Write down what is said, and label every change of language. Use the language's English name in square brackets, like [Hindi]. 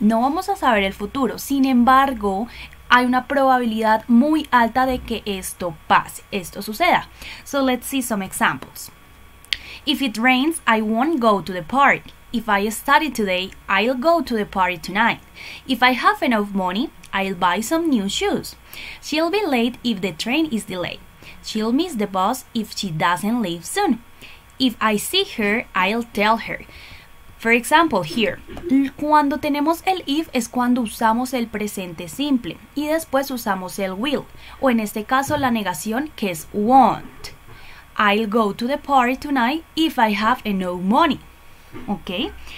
[Spanish] No vamos a saber el futuro, sin embargo, hay una probabilidad muy alta de que esto pase, esto suceda. [English] So let's see some examples. If it rains, I won't go to the park. If I study today, I'll go to the party tonight. If I have enough money, I'll buy some new shoes. She'll be late if the train is delayed. She'll miss the bus if she doesn't leave soon. If I see her, I'll tell her. For example, here. [Spanish] Cuando tenemos el if es cuando usamos el presente simple y después usamos el will, o en este caso la negación que es won't. [English] I'll go to the party tonight if I have enough money. Okay.